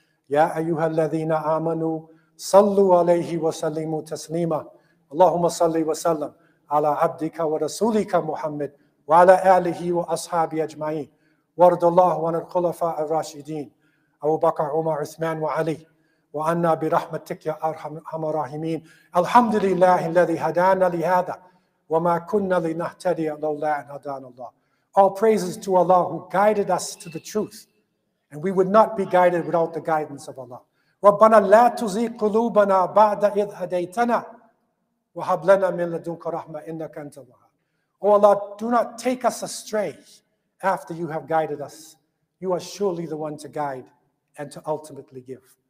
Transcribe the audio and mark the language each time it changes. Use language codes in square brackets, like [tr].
[ar] يا أيها الذين آمنوا صلوا عليه وسلموا تسليما اللهم صل وسلم على عبدك ورسولك محمد وعلى آله وأصحابه أجمعين وارض الله عن الخلفاء الراشدين أبو بكر عمر عثمان وعلي وأنا برحمتك يا أرحم الراحمين الحمد لله الذي هدانا لهذا وما كنا لنهتدي لولا أن هدانا الله. [en] All praises to Allah who guided us to the truth, and we would not be guided without the guidance of Allah. [ar] ربنا لا تزغ قلوبنا بعد إذ هديتنا وهب لنا من لدنك رحمة إنك أنت الوهاب. [en] Oh Allah, do not take us astray after you have guided us. You are surely the one to guide and to ultimately give.